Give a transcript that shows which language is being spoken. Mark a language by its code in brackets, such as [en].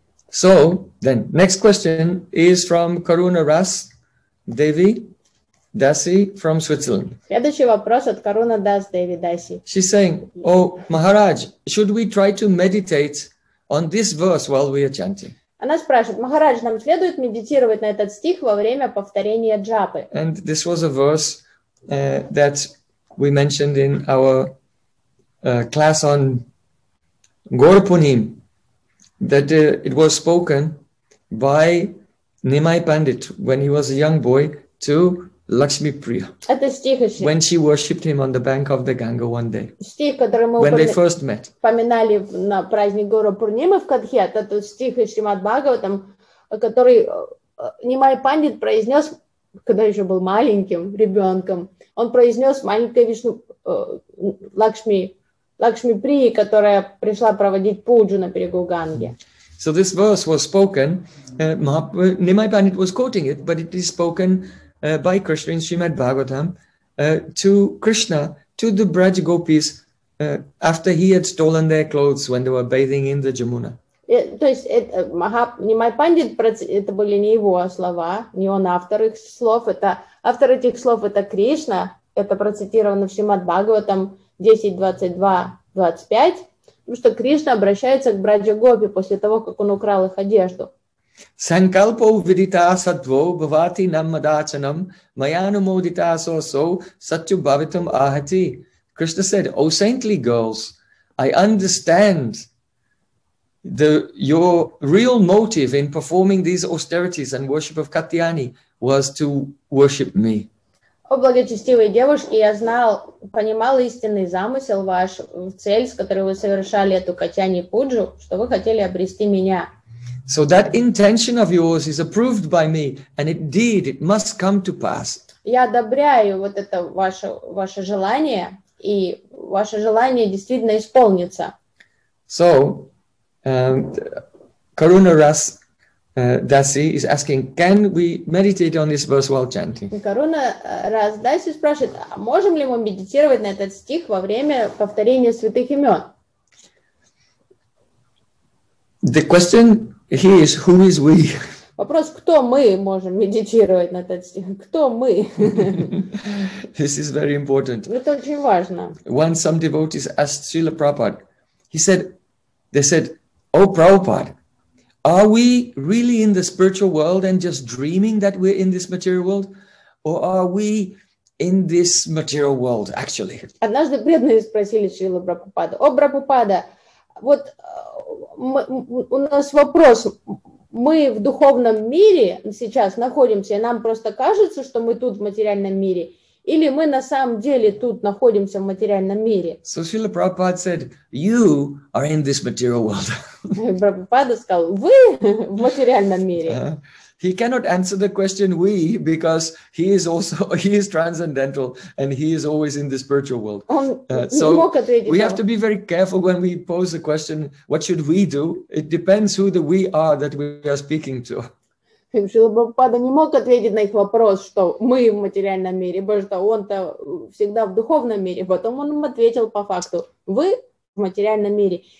[en] So, then, next question is from Karuna Ras. Devi Dasi from Switzerland. [ru] Следующий вопрос от Karuna Das, Devi Dasi. [en] She's saying, "Oh, Maharaj, should we try to meditate on this verse while we are chanting?" [ru] Она спрашивает, Махарадж, нам следует медитировать на этот стих во время повторения джапы? [en] And this was a verse that we mentioned in our class on Gorpunim, that it was spoken by Nimai Pandit, when he was a young boy, to Lakshmi Priya. [ru] Это стих еще. [en] When she worshipped him on the bank of the Ganga one day. [ru] Стих, который мы [en] when they first met. [ru] Поминали на праздник Гуру Пурнимы в Катхе, это стих из Шримад Бхагаватам, который Нимай Пандит произнес, когда еще был маленьким ребенком, он произнес маленькой Вишну Лакшми Прии, которая пришла проводить пуджу на берегу Ганги. [en] So this verse was spoken, Nimai Pandit was quoting it, but it is spoken by Krishna in Srimad Bhagavatam to Krishna, to the Braj Gopis, after he had stolen their clothes when they were bathing in the Jamuna. [ru] То есть, Nimai Pandit, это были не его слова, не он автор этих слов, это Кришна, это процитировано в Шримад-Бхагаватам 10.22.25, что Кришна обращается к Брадже-Гопи после того, как он украл их одежду. [sa] Sankalpo vidita sadvo bhavati nammadachanam mayanumodita soso satyu bhavitam ahati. [en] Krishna said, O saintly girls, I understand your real motive in performing these austerities and worship of Katyayani was to worship me. [ru] О, благочестивые девушки, я знал, понимал истинный замысел ваш, цель, с которой вы совершали эту Катьяни пуджу, что вы хотели обрести меня. [en] So that intention of yours is approved by me, and indeed it must come to pass. [ru] Я одобряю вот это ваше желание, и ваше желание действительно исполнится. [en] So, Karunaras Dasi is asking, can we meditate on this verse while chanting? [ru] Karunaras Dasi спрашивает, а можем ли мы медитировать на этот стих во время повторения святых имен? [en] The question is, who is we? [ru] Вопрос, кто мы можем медитировать на этот стих? Кто мы? [en] This is very important. [ru] Это очень важно. [en] Once some devotees asked Srila Prabhupada, they said, O Prabhupada, are we really in the spiritual world and just dreaming that we're in this material world? Or are we in this material world, actually? [ru] Однажды преданные спросили Шрилу Прабхупаду, О, Прабхупада, вот у нас вопрос, мы в духовном мире сейчас находимся, и нам просто кажется, что мы тут в материальном мире, или мы на самом деле тут находимся в материальном мире? [en] So Srila Prabhupada said, you are in this material world. [ru] Прабхупада сказал, вы в материальном мире. [en] He cannot answer the question we, because he is transcendental and he is always in the spiritual world. So we have to be very careful when we pose the question, what should we do? It depends who the we are that we are speaking to. [ru] Шрила Прабхупада не мог ответить на их вопрос, что мы в материальном мире, потому что он-то всегда в духовном мире. Потом он им ответил по факту, вы в материальном мире.